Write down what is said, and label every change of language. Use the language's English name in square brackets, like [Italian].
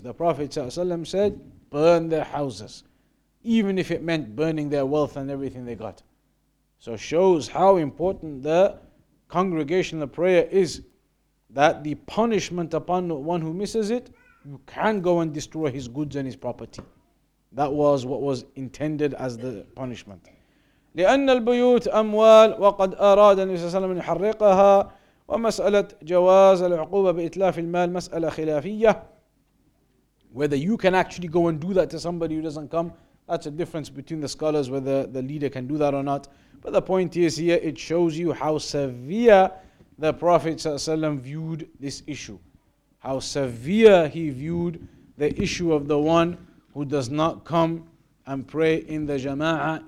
[English] The Prophet ﷺ said, burn their houses, even if it meant burning their wealth and everything they got. So shows how important the congregational prayer is, that the punishment upon the one who misses it, you can go and destroy his goods and his property. That was what was intended as the punishment. [Arabic] لأن البيوت أموال وقد أراد النبي صلى الله عليه وسلم أن يحرقها ومسألة جواز العقوبة بإتلاف المال مسألة خلافية. [English] Whether you can actually go and do that to somebody who doesn't come, that's a difference between the scholars, whether the leader can do that or not. But the point is here, it shows you how severe the Prophet ﷺ viewed this issue. How severe he viewed the issue of the one who does not come and pray in the jama'ah.